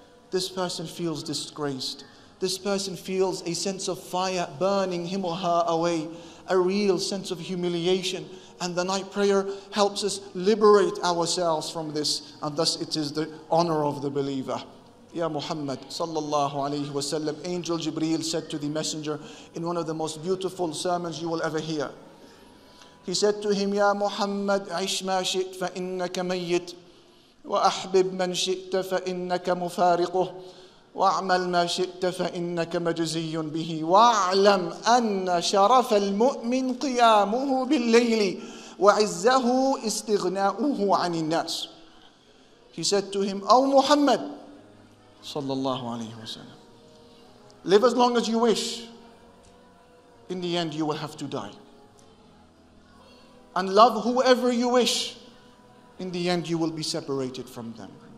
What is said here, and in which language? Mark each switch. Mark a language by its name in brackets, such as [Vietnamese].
[English] This person feels disgraced. This person feels a sense of fire burning him or her away, a real sense of humiliation. And the night prayer helps us liberate ourselves from this. And thus it is the honor of the believer. Ya Muhammad sallallahu alayhi wa sallam, Angel Jibreel said to the Messenger in one of the most beautiful sermons you will ever hear. He said to him, [Arabic] Ya Muhammad, عِشْ مَا شِئْتْ فَإِنَّكَ مَيِّتْ وَأَحْبِبْ مَنْ شِئْتَ فَإِنَّكَ مُفَارِقُهُ وَأَعْمَلْ مَا شِئْتَ فَإِنَّكَ مَجْزِيٌّ بِهِ وَأَعْلَمْ أَنَّ شَرَفَ الْمُؤْمِنِ قِيَامُهُ بِاللَّيْلِ وَعِزَّهُ إِسْتِغْنَاؤُهُ عَنِ النَّاسِ. [English] He said to him, O Muhammad, sallallahu alayhi wa sallam, live as long as you wish. In the end, you will have to die. And love whoever you wish. In the end, you will be separated from them.